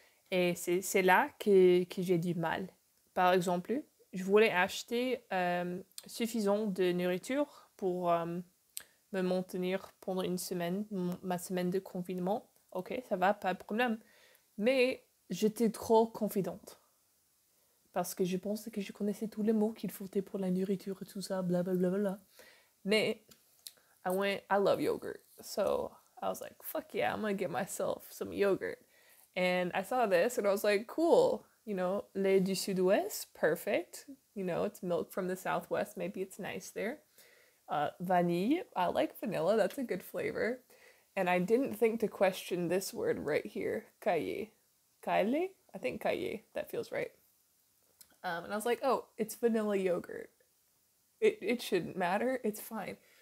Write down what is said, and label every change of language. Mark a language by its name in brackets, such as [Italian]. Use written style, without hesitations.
[French] Et c'est là que j'ai du mal. Par exemple, je voulais acheter suffisant de nourriture pour me maintenir pendant une semaine, ma semaine de confinement. Ok, ça va, pas de problème. Mais j'étais trop confidente. Parce que je pensais que je connaissais tous les mots qu'il faut pour la nourriture et tout ça, blablabla. Mais [English] I love yogurt. So I was like, fuck yeah, I'm gonna get myself some yogurt. And I saw this and I was like, cool. You know, [French] lait du sud-ouest, [English] perfect. You know, it's milk from the southwest. Maybe it's nice there. Vanille, I like vanilla. That's a good flavor. And I didn't think to question this word right here. Cahier. Cahier? I think cahier. That feels right. And I was like, oh, it's vanilla yogurt. It shouldn't matter. It's fine.